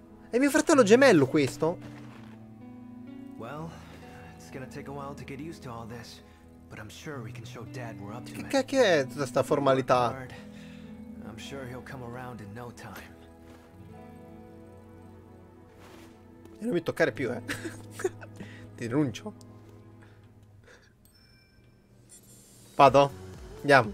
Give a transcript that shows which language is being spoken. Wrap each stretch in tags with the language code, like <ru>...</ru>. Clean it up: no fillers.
<it>È mio fratello gemello questo?</it> <en>Well, it's gonna take a while to get used to all this, but I'm sure we can show Dad we're up to it.</en> <it>Che è tutta sta formalità?</it> <en>I'm sure he'll come around in no time.</en> <it>E non mi toccare più, Ti rinuncio. Vado. Andiamo.</it>